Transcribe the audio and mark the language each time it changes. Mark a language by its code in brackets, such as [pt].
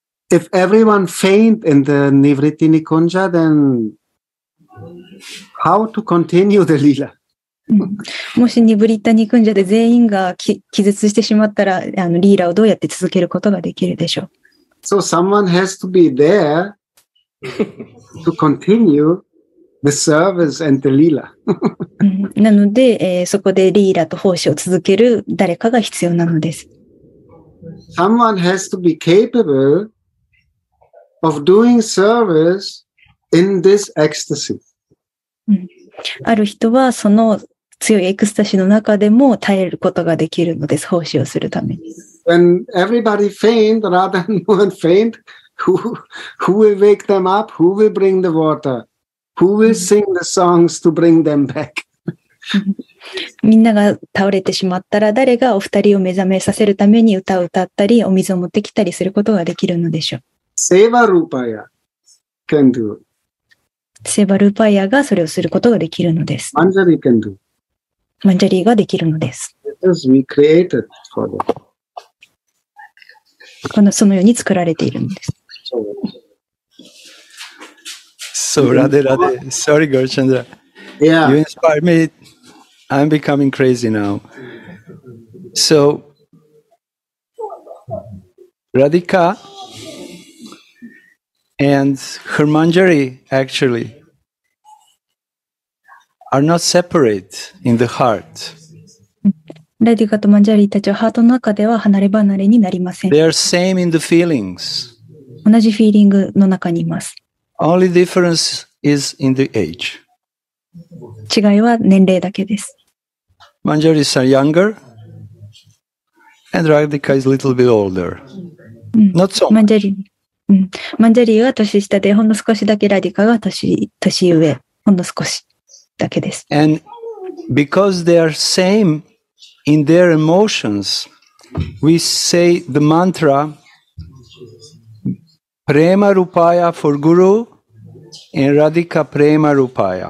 [en] If everyone faint in the Nivritti Nikunja, then how to continue the lila? [ja] もしニブリッタニクンジャで全員が気絶してしまったら、リーラをどうやって続けることができるでしょう。 [en] So someone has to be there to continue. The service and the Leela. [ja] なので、そこでリーラと奉仕を続ける誰かが必要なのです。 [en] Someone has to be capable of doing service in this ecstasy. [ja] ある人はその強いエクスタシーの中でも耐えることができるのです、奉仕をするために。 [en] When everybody faint, rather than no one faint, who will wake them up? Who will bring the water? Who will sing the songs to bring them back? [ja] みんなが倒れてしまったら誰がお二人を目覚めさせるために歌を歌ったりお水を持ってきたりすることができるのでしょう。 [en] セーバルーパイヤ can do. [ja] セーバルーパイヤがそれをすることができるのです。 [en] マンジャリー can do. [ja] マンジャリーができるのです。 [en] Because we created for them. [ja] そのように作られているのです。そうです。 [en] So Radhe, sorry Gurchandra. Yeah. You inspired me. I'm becoming crazy now. So Radhika and Harmanjari actually are not separate in the heart. [ja] ラディガとマンジャリーたちはハートの中では離れ離れになりません。 [en] They are same in the feelings. [ja] 同じフィーリングの中にいます。 [en] Only difference is in the age. [ja] 違いは年齢だけです。 [en] マンジャリーさん younger and Radhika is a little bit older.、 [ja] うん、 [en] Not so much. [ja] マンジャリーは年下で、ほんの少しだけラディカが 年上、ほんの少しだけです。 [en] And because they are same in their emotions, we say the mantra Prema Rupaya for Guru and Radhika Prema Rupaya.、